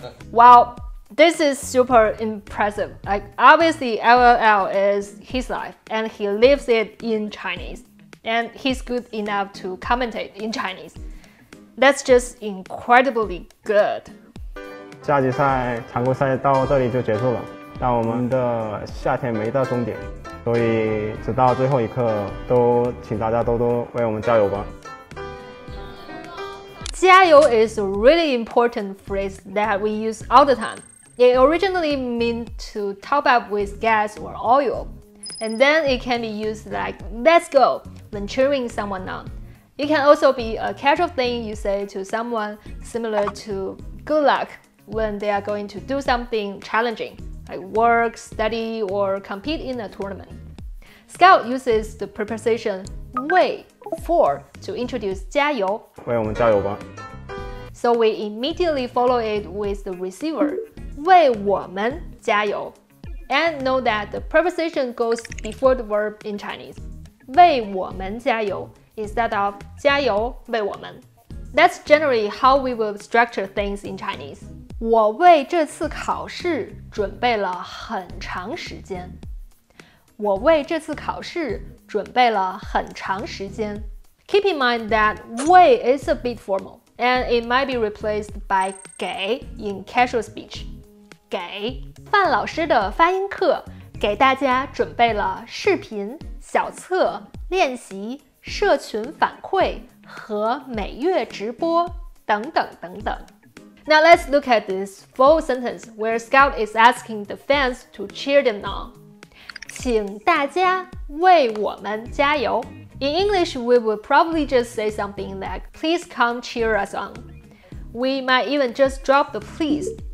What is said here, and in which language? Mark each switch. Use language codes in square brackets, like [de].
[en] Wow, this is super impressive. Like obviously LOL is his life and he lives it in Chinese and he's good enough to commentate in ChineseThat's just incredibly good. [zh] 夏季赛常规赛到这里就结束了，但我们的夏天没到终点，所以直到最后一刻都请大家多多为我们加油吧。 [en] 加油 is a really important phrase that we use all the time. It originally meant to top up with gas or oil. And then it can be used like let's go when cheering someone on. It can also be a casual thing you say to someone, similar to good luck when they are going to do something challenging, like work, study, or compete in a tournament. Scout uses the preposition 为 for to introduce 加油。 [zh] 为我们加油吧。 [en] So we immediately follow it with the receiver [zh] 为我们加油。 [en] And know that the preposition goes before the verb in Chinese [zh] 为我们加油。 [en] Instead of 加油为我们 That's generally how we will structure things in Chinese. [zh] 我为这次考试准备了很长时间。我为这次考试准备了很长时间。 [en] Keep in mind that 为 is a bit formal, and it might be replaced by 给 in casual speech. [zh] 给范老师的发音课给大家准备了视频、小册、练习。社群反馈和每月直播等等等等。 [en] Now let's look at this full sentence where Scout is asking the fans to cheer them on. [zh] 请大家为我们加油。 [en] In English, we would probably just say something like, please come cheer us on. We might even just drop the please.